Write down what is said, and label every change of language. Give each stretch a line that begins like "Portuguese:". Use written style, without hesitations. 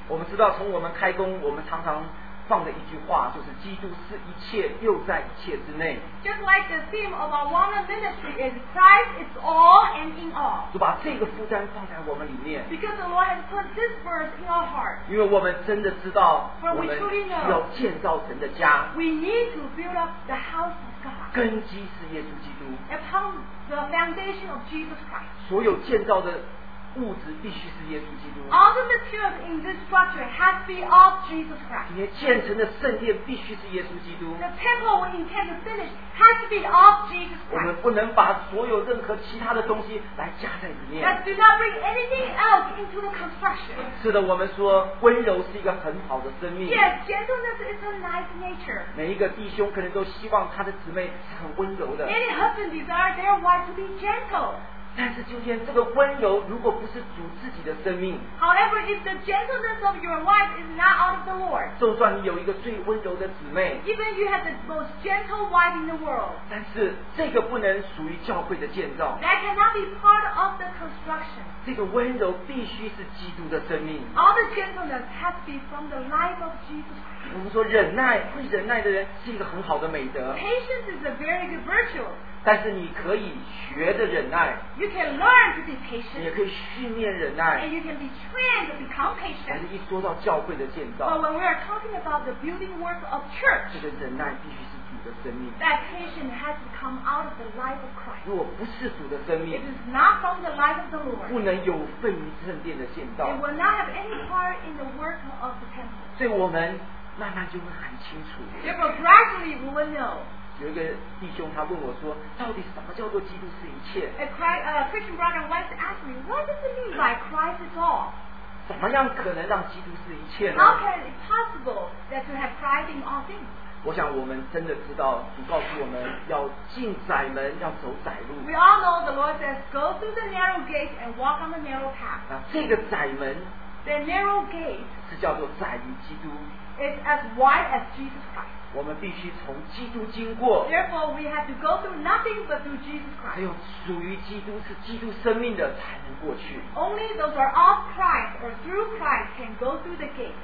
Chinese: 我们知道，从我们开工，我们常常放的一句话，就是基督是一切，又在一切之内。
English: Just like the theme of our Warner ministry is Christ is all and in all.
Chinese: 主把这个负担放在我们里面。
English: Because the Lord has put this verse in our heart.
Chinese: 因为我们真的知道，我们需要建造神的家。
English: We need to build up the house of God.
Chinese: 根基是耶稣基督。
English: Upon the foundation of Jesus Christ.
Chinese: 所有建造的物质必须是耶稣基督。
English: All the materials in this structure have to be of Jesus Christ.
Chinese: 你建成的圣殿必须是耶稣基督。
English: The temple we intend to finish has to be of Jesus Christ.
Chinese: 我们不能把所有任何其他的东西来加在里面。
English: That do not bring anything else into the construction.
Chinese: 是的，我们说温柔是一个很好的生命。
English: Yes, gentleness is a nice nature.
Chinese: 每一个弟兄可能都希望他的姊妹是很温柔的。
English: Any husband desires their wife to be gentle.
Chinese: 但是今天这个温柔如果不是主自己的生命，
English: However, if the gentleness of your wife is not out of the Lord,
Chinese: 就算你有一个最温柔的姊妹，
English: Even you have the most gentle wife in the world,
Chinese: 但是这个不能属于教会的建造，
English: That cannot be part of the construction.
Chinese: 这个温柔必须是基督的生命。
English: All the gentleness has to be from the life of Jesus Christ.
Chinese: 我们说忍耐，会忍耐的人是一个很好的美德。
English: Patience is a very good virtue.
Chinese: 但是你可以学着忍耐。
English: You can learn to be patient.
Chinese: 你也可以训练忍耐。
English: And you can be trained to become patient.
Chinese: 但是一说到教会的建造。
English: But when we are talking about the building work of church.
Chinese: 这个忍耐必须是主的生命。
English: That patience has to come out of the life of Christ.
Chinese: 如果不是主的生命。
English: It is not from the life of the Lord.
Chinese: 不能有份于圣殿的建造。
English: It will not have any part in the work of the temple.
Chinese: 所以我们慢慢就会很清楚。
English: Therefore, gradually we will know.
Chinese: 有一个弟兄他问我说，到底什么叫做基督是一切？
English: Christian brother once asked me, what does it mean by Christ is all?
Chinese: 怎么样可能让基督是一切呢？
English: How can it be possible that to have Christ in all things?
Chinese: 我想我们真的知道，主告诉我们要进窄门，要走窄路。
English: We all know the Lord says, go through the narrow gate and walk on the narrow path.
Chinese: 那这个窄门，
English: the narrow gate
Chinese: 是叫做窄于基督。
English: It's as wide as Jesus Christ.
Chinese: 我们必须从基督经过。
English: Therefore, we have to go through nothing but through Jesus Christ.
Chinese: 只有属于基督是基督生命的才能过去。 Only those who are of Christ or through Christ can go through the gate.